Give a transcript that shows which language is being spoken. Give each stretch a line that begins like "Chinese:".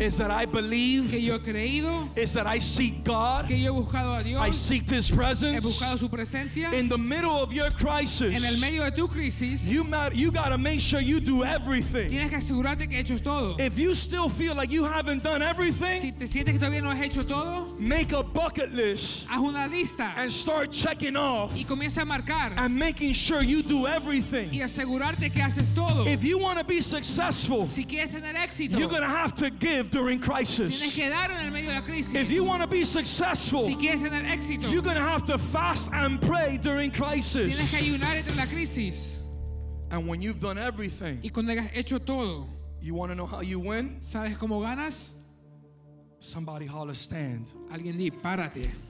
English: is that I believed,
Spanish: que yo creído,
English: is that I seek God,
Spanish: que yo buscado a Dios,
English: I seek His presence,
Spanish: he buscado su presencia.
English: In the middle of your crisis,
Spanish: en el medio de tu crisis,
English: you gotta make sure you do everything.
Spanish: Tienes que asegurarte que he hecho todo.
English: If you still feel like you haven't done everything,
Spanish: si te sientes que todavía no has hecho todo,
English: make a bucket list,
Spanish: haz una lista,
English: and start checking off,
Spanish: y comienza a marcar,
English: and making sure you do everything,
Spanish: y asegurarte que haces todo.
English: If you want to be successful,
Spanish: si quieres tener éxito,
English: you're gonna have to give during crisis.
Spanish: Tienes que dar en el medio de la crisis.
English: If you want to be successful,
Spanish: si quieres tener éxito,
English: you're gonna have to fast and pray during crisis.
Spanish: Tienes que ayunar en la crisis.
English: And when you've done everything,
Spanish: y cuando hayas hecho todo,
English: you want to know how you win?
Spanish: ¿Sabes cómo ganas?
English: Somebody holler, stand.
Spanish: Alguien di, párate.